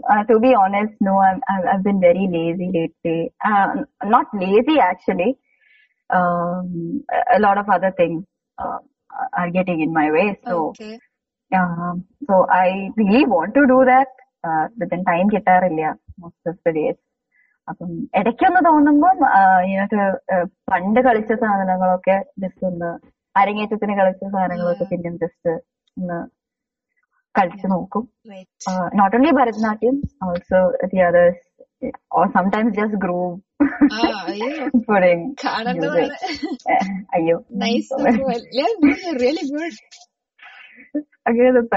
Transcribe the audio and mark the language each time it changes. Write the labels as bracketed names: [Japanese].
[English] To be honest, no, I've been very lazy lately. Not lazy, actually. A lot of other things are getting in my way. So, Okay. I really want to do that, but then time [Malayalam] kittarilla [English] most of the days. [Malayalam] അപ്പം ഇടയ്ക്കൊന്ന് തോന്നുമ്പം ഇങ്ങനത്തെ പണ്ട് കളിച്ച സാധനങ്ങളൊക്കെ just ഒന്ന് അരങ്ങേറ്റത്തിന് കളിച്ച സാധനങ്ങളൊക്കെ [English] Yeah. [Malayalam] പിന്നെ ജസ്റ്റ് ഒന്ന് കളിച്ചു നോക്കും. [English] Right. Not only Bharatanatyam, also the others, or sometimes just groove Ayo. putting music. [Malayalam] Kaanadhu Ayyo, [English] nice so number one. Yeah, no, you're really good. again,